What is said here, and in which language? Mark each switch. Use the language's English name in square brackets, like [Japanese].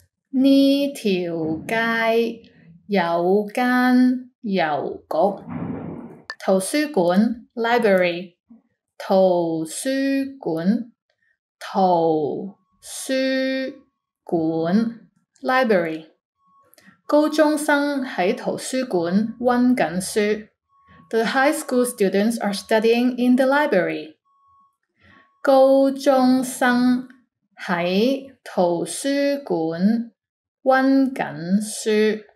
[Cantonese] 呢條街有間郵局，圖書館 library， 圖書館，圖書館 library。高中生喺圖書館温緊書。 [English] The high school students are studying in the library. [Cantonese] 高中生喺圖書館温緊書。